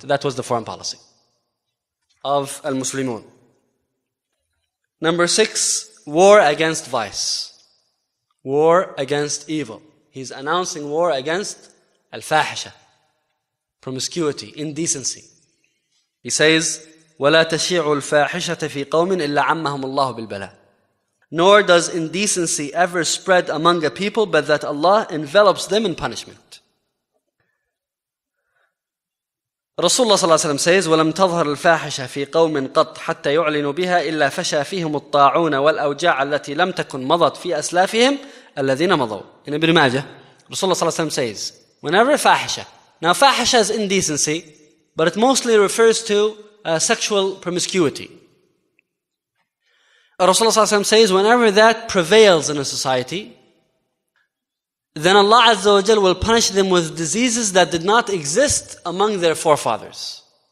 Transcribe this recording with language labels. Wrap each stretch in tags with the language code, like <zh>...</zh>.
<en>That was the foreign policy of al-Muslimun. Number 6, war against vice. War against evil. He's announcing war against al-fahisha, promiscuity, indecency. He says,</en> <ar>وَلَا تَشِيعُ الْفَاحِشَةَ فِي قَوْمٍ إِلَّا عَمَّهُمُ اللَّهُ بِالْبَلَاءِ.</ar> <en>Nor does indecency ever spread among a people but that Allah envelops them in punishment. Rasulullah sallallahu alayhi wa sallam says,</en> <ar>وَلَمْ تَظْهَرُ الْفَاحِشَةَ فِي قَوْمٍ قَطْ حَتَّى يُعْلِنُوا بِهَا إِلَّا فَشَى فِيهُمُ الطَّاعُونَ وَالْأَوْجَاعَ الَّتِي لَمْ تَكُنْ مَضَتْ فِي أَسْلَافِهِمْ الَّذِينَ مَضَوْا.</ar> <en>In Ibn Majah, Rasulullah sallallahu alayhi wa sallam says, whenever fahisha, now fahisha is indecency, but it mostly refers to sexual promiscuity. Rasulullah ﷺ says, whenever that prevails in a society, then Allah Azza wa Jal will punish them with diseases that did not exist among their forefathers.</en>